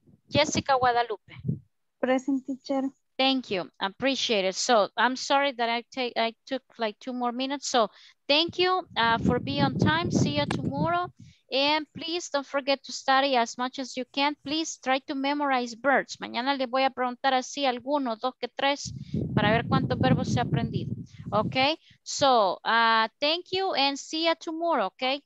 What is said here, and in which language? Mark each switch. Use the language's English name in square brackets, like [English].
[English] Jessica Guadalupe. Present, teacher. Thank you. I appreciate it. So I'm sorry that I took like two more minutes. So thank you for being on time. See you tomorrow. And please don't forget to study as much as you can. Please try to memorize verbs. [Spanish] Mañana le voy a preguntar así alguno, dos que tres, para ver cuántos verbos se ha aprendido. [English] Okay? So, thank you and see you tomorrow, okay?